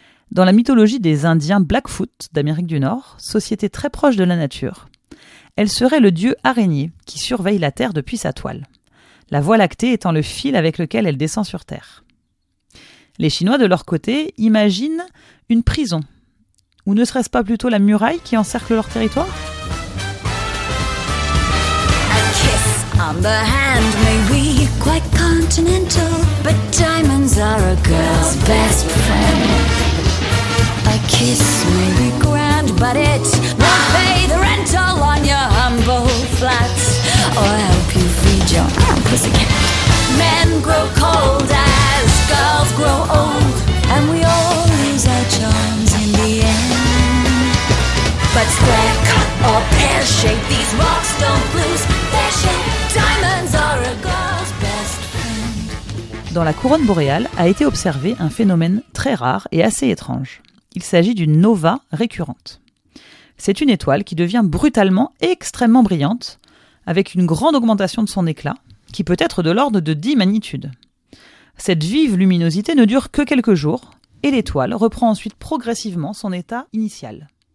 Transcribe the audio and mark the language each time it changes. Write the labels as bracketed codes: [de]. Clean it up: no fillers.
[fr] Dans la mythologie des Indiens Blackfoot d'Amérique du Nord, société très proche de la nature, elle serait le dieu araignée qui surveille la terre depuis sa toile, la voie lactée étant le fil avec lequel elle descend sur terre. Les Chinois, de leur côté, imaginent une prison. Ou ne serait-ce pas plutôt la muraille qui encercle leur territoire ? [en] A kiss on the hand may be quite continental, but diamonds are a girl's best friend. A kiss may be grand, but it won't pay the rental on your humble flat, or help you feed your own pussycat. Men grow cold as girls grow old, and we all lose our charms in the end. But square cut or pear shape, these rocks don't lose their shape. Diamonds are a girl's best friend. [fr] dans la couronne boréale a été observé un phénomène très rare et assez étrange. Il s'agit d'une nova récurrente. C'est une étoile qui devient brutalement extrêmement brillante, avec une grande augmentation de son éclat, qui peut être de l'ordre de 10 magnitudes. Cette vive luminosité ne dure que quelques jours, et l'étoile reprend ensuite progressivement son état initial.